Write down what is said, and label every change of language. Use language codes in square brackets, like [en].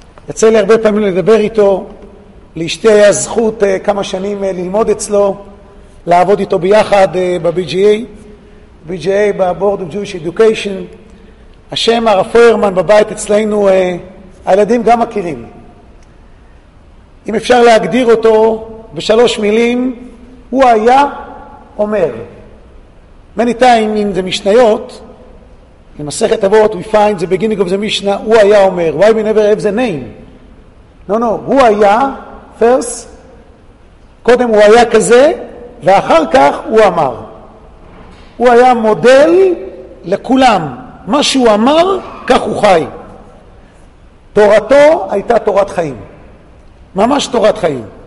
[he] יצא לי הרבה פעמים לדבר איתו, לאשתי היה זכות כמה שנים ללמוד אצלו, לעבוד איתו ביחד ב-BGA, ב-Board of Jewish Education. השם הרב פוירמן בבית אצלנו, הילדים גם מכירים. אם אפשר להגדיר אותו בשלוש מילים, הוא היה אומר. [en] Many times in the משניות, in מסכת אבות, we find the beginning of the משנה, [he] הוא היה אומר. [en] Why we never have the name? [he] No, הוא היה, [en] first, [he] קודם הוא היה כזה, ואחר כך הוא אמר. הוא היה מודל לכולם. מה שהוא אמר, כך הוא חי. תורתו הייתה תורת חיים. ממש תורת חיים.